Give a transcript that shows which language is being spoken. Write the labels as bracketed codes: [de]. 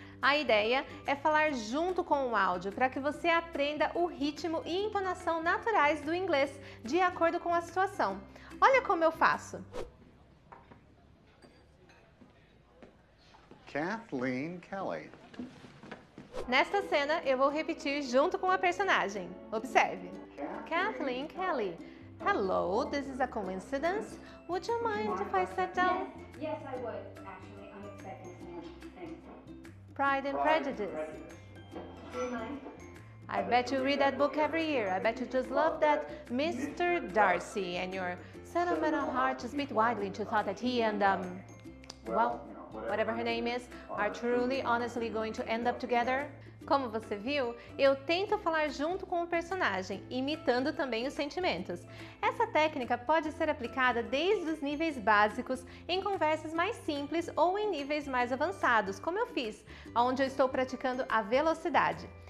[pt] A ideia é falar junto com o áudio para que você aprenda o ritmo e entonação naturais do inglês de acordo com a situação. Olha como eu faço. Kathleen Kelly. Nesta cena, eu vou repetir junto com a personagem. Observe. Kathleen Kelly. [en] Hello, this is a coincidence. Would you mind if I sat down? Yes, I would, actually. I'm expecting someone. Thanks. Pride and Prejudice. Do you mind? I bet you read that book every year. I bet you just love that Mr. Darcy and your sentimental heart just beat widely to thought that he and, well, whatever her name is, are truly, honestly going to end up together? [pt] Como você viu, eu tento falar junto com o personagem, imitando também os sentimentos. Essa técnica pode ser aplicada desde os níveis básicos, em conversas mais simples ou em níveis mais avançados, como eu fiz, onde eu estou praticando a velocidade.